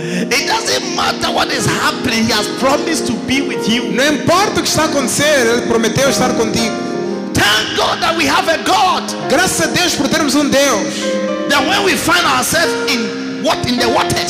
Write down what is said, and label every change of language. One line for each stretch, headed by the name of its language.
English: It doesn't matter what is happening. He has promised to be with you.
Portuguese: Não importa o que está a acontecer, ele prometeu estar contigo.
English: Thank God that we have a God.
Portuguese: Graças a Deus por termos Deus.
English: That when we find ourselves in what in the waters.